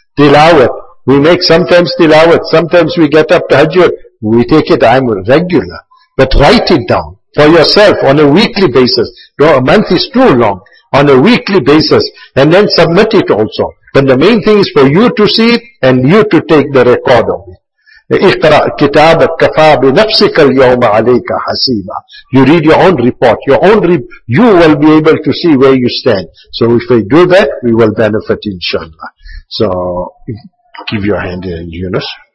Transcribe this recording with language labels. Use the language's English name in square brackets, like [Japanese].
[English] Tilawat, we make sometimes tilawat, sometimes we get up to hajjud, we take it, I'm regular. But write it down for yourself on a weekly basis. No, a month is too long. On a weekly basis, and then submit it also. But the main thing is for you to see it and you to take the record of it. [Arabic] اقرأ كتابك كفى بنفسك اليوم عليك حسيبا. [English] You read your own report. You will be able to see where you stand. So if we do that, we will benefit, inshallah. So give your hand in, Yunus.